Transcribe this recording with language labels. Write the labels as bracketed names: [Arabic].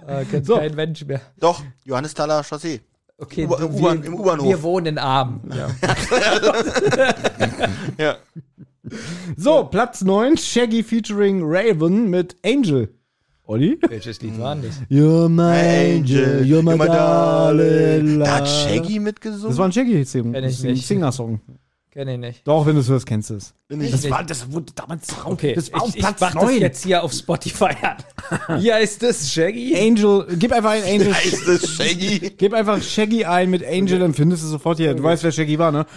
[German] Kennst so. Kein Mensch mehr. Doch, Johannisthaler Chaussee. Okay, im U-Bahnhof. Wir wohnen in Arm. Ja. So, Platz 9, Shaggy featuring Raven mit Angel. Olli? Welches Lied war das? [English] You're my Angel, you're my darling. [German] Da hat Shaggy mitgesungen? Das war ein Shaggy-Song. Kenn ich nicht. Singer-Song. Kenn ich nicht. Doch, wenn du es hörst, kennst du es. Das wurde damals drauf. Okay. Das war auf Platz 9. Ich mach das jetzt hier auf Spotify an. Wie heißt das, Shaggy? Angel, gib einfach ein Angel. Wie heißt das, Shaggy? Gib einfach Shaggy ein mit Angel, okay. Dann findest du es sofort hier. Du weißt, wer Shaggy war, ne?